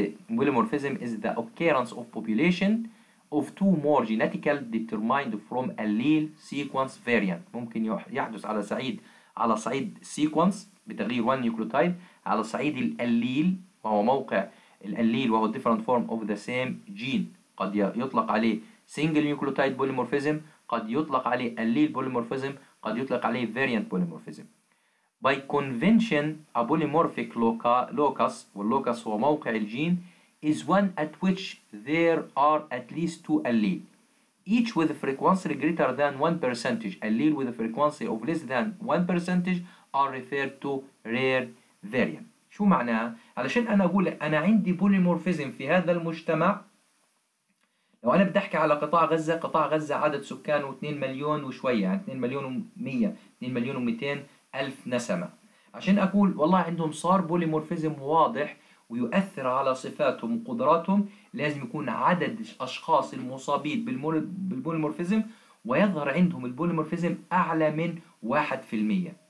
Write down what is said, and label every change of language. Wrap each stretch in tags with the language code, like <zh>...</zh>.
<en>Polymorphism is the occurrence of population of two more genetically determined from allele sequence variant.</en> <ar>ممكن يحدث على صعيد sequence بتغيير one nucleotide على صعيد الاليل، وهو موقع الاليل وهو</ar> <en>different form of the same gene.</en> <ar>قد يطلق عليه single nucleotide polymorphism، قد يطلق عليه allele polymorphism، قد يطلق عليه variant polymorphism.</ar> <en>By convention a polymorphic locus</en> <ar>واللوكس هو موقع الجين</ar> <en>is one at which there are at least two allele each with a frequency greater than 1%. Allele with a frequency of less than 1% are referred to rare variant.</en> <ar>شو معناها؟ علشان انا اقول انا عندي polymorphism في هذا المجتمع، لو انا بدي احكي على قطاع غزه، قطاع غزه عدد سكانه 2 مليون وشويه، يعني 2 مليون و100 2 مليون و200 ألف نسمة. عشان أقول والله عندهم صار بوليمورفيزم واضح ويؤثر على صفاتهم وقدراتهم، لازم يكون عدد الأشخاص المصابين بالبوليمورفيزم ويظهر عندهم البوليمورفيزم أعلى من 1%.</ar>